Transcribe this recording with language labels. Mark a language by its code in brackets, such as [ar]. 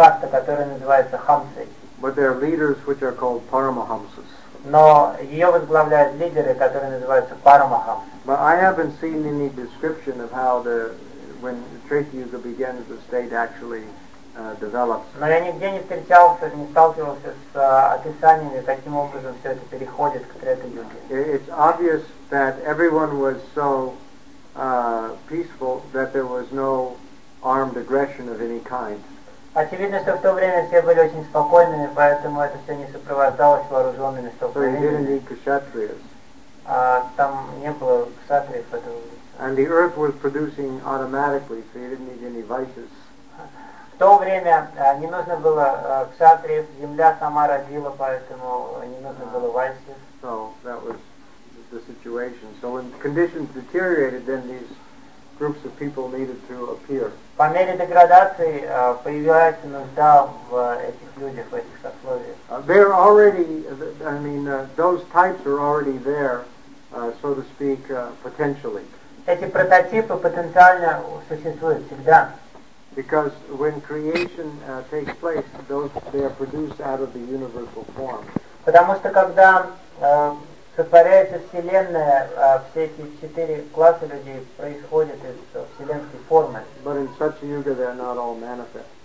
[en] But there are leaders which are called Paramahamsas. But I haven't seen any description of how when Treta Yuga begins, the state actually develops. [ru] Но я нигде не встречался, не сталкивался с описаниями, каким образом все это переходит к Трета Юге. [en] It's obvious that everyone was so peaceful that there was no armed aggression of any kind. [ru] Очевидно, что в то время все были очень спокойными, поэтому это все не сопровождалось вооруженными столкновениями. [en] So you didn't need кшатриас. [ru] Там не было кшатриев этого. [en] And the earth was producing automatically, so you didn't need any vices. [ru] В то время не нужно было кшатриев, земля сама родила, поэтому не нужно было вайсис. [en] So that was the situation. So when conditions deteriorated, then these groups of people needed to appear. [ru] По мере деградации появляется нужда в этих людях, в этих сословиях. [en] They're already, those types are already there, so to speak, potentially. [ru] Эти прототипы потенциально существуют всегда. [en] Because when creation takes place, they are produced out of the universal form. [ru] Потому что когда сотворяется вселенная, все эти четыре класса людей происходят из вселенской формы. [en] But in Satya Yuga they are not all manifest.